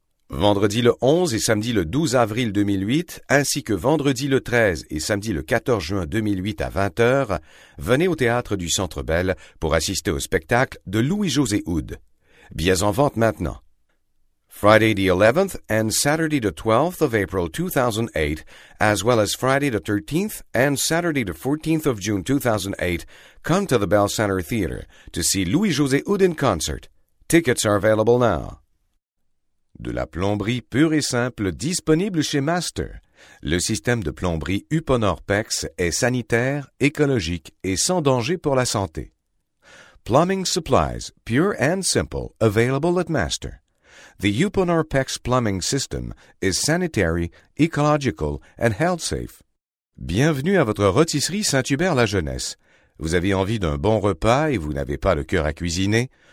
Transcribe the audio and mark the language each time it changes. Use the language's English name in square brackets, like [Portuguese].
[French] Vendredi le 11 et samedi le 12 avril 2008, ainsi que vendredi le 13 et samedi le 14 juin 2008 à 20h, venez au Théâtre du Centre Bell pour assister au spectacle de Louis-José Houd. Billets en vente maintenant. [English] Friday the 11th and Saturday the 12th of April 2008, as well as Friday the 13th and Saturday the 14th of June 2008, come to the Bell Center Theater to see Louis-José Houd in concert. Tickets are available now. [French] De la plomberie pure et simple disponible chez Master. Le système de plomberie Uponor-PEX est sanitaire, écologique et sans danger pour la santé. [English] Plumbing supplies, pure and simple, available at Master. The Uponor-PEX plumbing system is sanitary, ecological and health safe. [French] Bienvenue à votre rôtisserie Saint-Hubert-la-Jeunesse. Vous avez envie d'un bon repas et vous n'avez pas le cœur à cuisiner?